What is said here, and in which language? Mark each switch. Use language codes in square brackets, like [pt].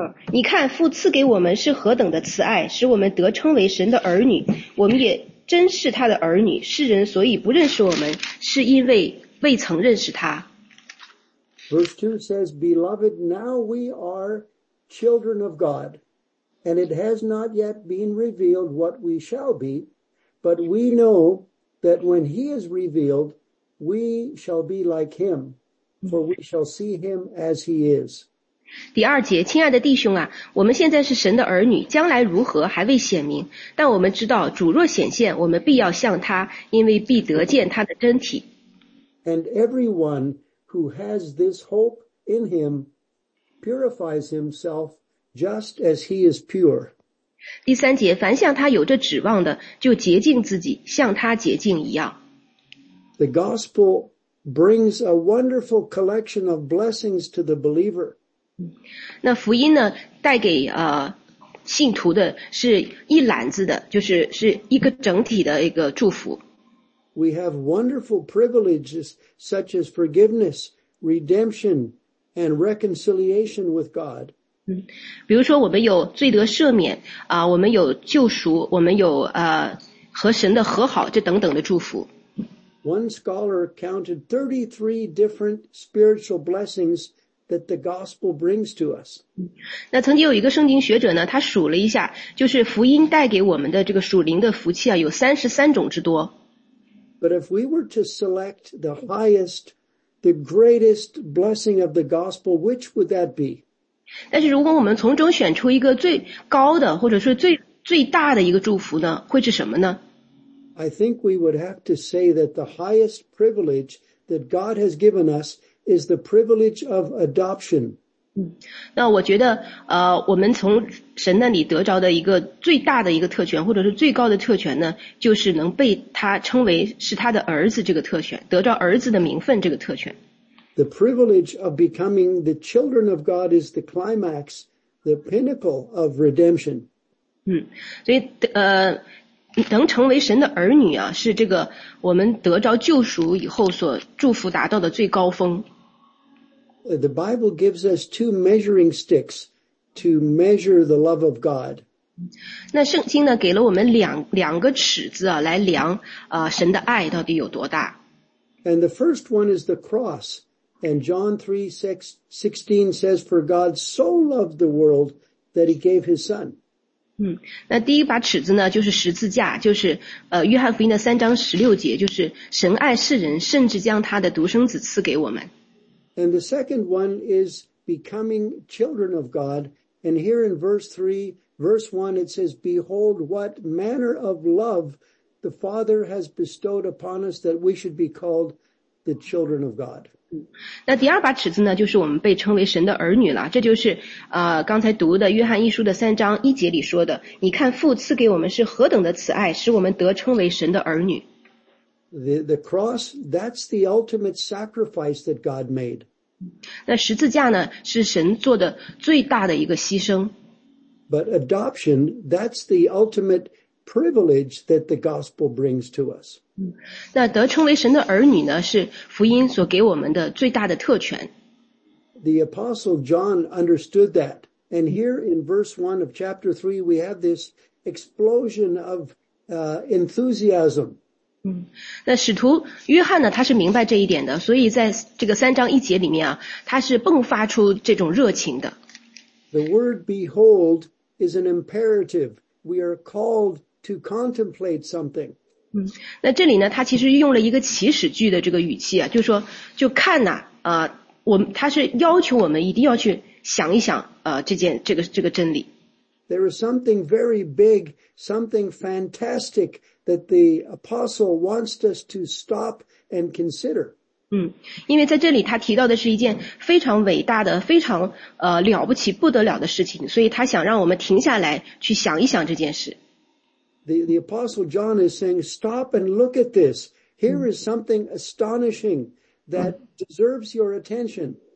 [zh] 你看父赐给我们是何等的慈爱，使我们得称为神的儿女，我们也真是他的儿女，世人所以不认识我们，是因为未曾认识他。 [en] Verse 2 says, Beloved, now we are children of God, and it has not yet been revealed what we shall be, but we know that when he is revealed, we shall be like him, for we shall see him as he is. [zh] 第二节，亲爱的弟兄啊，我们现在是神的儿女，将来如何还未显明，但我们知道主若显现，我们必要像他，因为必得见他的真体。 [en] And everyone who has this hope in him purifies himself just as he is pure. [zh] 第三节，凡像他有着指望的，就洁净自己，像他洁净一样。 [en] The gospel brings a wonderful collection of blessings to the believer. [zh] 那福音呢，带给信徒的是一篮子的，就是是一个整体的一个祝福。 [en] We have wonderful privileges such as forgiveness, redemption, and reconciliation with God. [zh] 比如说我们有罪得赦免我们有救赎，我们有和神的和好，这等等的祝福。 [en] One scholar counted 33 different spiritual blessings. That the gospel brings to us. [zh] 那曾经有一个圣经学者呢，他数了一下，就是福音带给我们的这个属灵的福气啊，有33种之多。 [en] But if we were to select the highest, the greatest blessing of the gospel, which would that be? [zh] 但是如果我们从中选出一个最高的，或者是最大的一个祝福呢，会是什么呢？ [en] I think we would have to say that the highest privilege that God has given us. Is the privilege of adoption. [zh] 那我觉得我们从神那里得着的一个最大的一个特权，或者是最高的特权呢，就是能被他称为是他的儿子这个特权，得着儿子的名分这个特权。 [en] The privilege of becoming the children of God is the climax, the pinnacle of redemption. [zh] 所以能成为神的儿女啊，是这个我们得着救赎以后所祝福达到的最高峰。 [en] The Bible gives us two measuring sticks to measure the love of God. [zh] 那圣经呢，给了我们两个尺子啊，来量神的爱到底有多大。 [en] And the first one is the cross. And John 3:16 says, "For God so loved the world that He gave His Son." [zh] 那第一把尺子呢，就是十字架，就是约翰福音的3:16，就是神爱世人，甚至将他的独生子赐给我们。 [en] And the second one is becoming children of God. And here in verse 1, it says, "Behold, what manner of love the Father has bestowed upon us that we should be called the children of God." [zh] 那第二把尺子呢，就是我们被称为神的儿女了。这就是刚才读的约翰一书的3:1里说的，你看父赐给我们是何等的慈爱，使我们得称为神的儿女。 [en] The cross, that's the ultimate sacrifice that God made. [zh] 那十字架呢，是神做的最大的一个牺牲。 [en] But adoption, that's the ultimate privilege that the gospel brings to us. [zh] 那得称为神的儿女呢，是福音所给我们的最大的特权。 [en] The apostle John understood that. And here in verse 1 of chapter 3, we have this explosion of enthusiasm. [zh] 那使徒约翰呢，他是明白这一点的，所以在这个3:1里面啊，他是迸发出这种热情的。 [en] The word behold is an imperative. We are called to contemplate something. [zh] 那这里呢，他其实用了一个祈使句的这个语气啊，就是说，就看呐、啊，他是要求我们一定要去想一想，这个真理。 [en] There is something very big, something fantastic that the apostle wants us to stop and consider. [zh] 因为在这里他提到的是一件非常伟大的、非常了不起、不得了的事情，所以他想让我们停下来去想一想这件事。 [en] The apostle John is saying, "Stop and look at this. Here is something astonishing that deserves your attention."